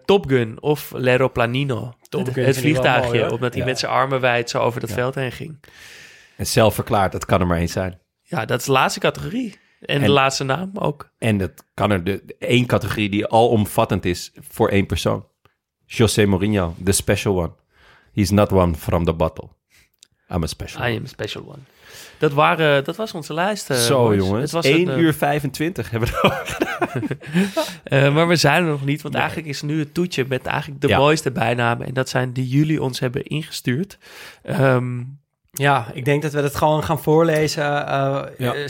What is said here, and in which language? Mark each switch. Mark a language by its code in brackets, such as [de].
[nl] Top Gun of L'Aeroplanino. Het vliegtuigje, mooi, omdat hij met zijn armen wijd zo over dat veld heen ging. En zelf verklaard, dat kan er maar één zijn. Ja, dat is de laatste categorie. En de laatste naam ook. En dat kan er de één categorie die alomvattend is voor één persoon. [en] José Mourinho, the special one. He's not one from the bottle. I'm a special one. I am a special one. [nl] Dat was onze lijst. Zo, boys. Jongens. Het was 1 uur 25 hebben we er ook gedaan. Maar we zijn er nog niet, want eigenlijk is nu het toetje met eigenlijk de mooiste bijnamen. En dat zijn die jullie ons hebben ingestuurd. Ja, ik denk dat we dat gewoon gaan voorlezen.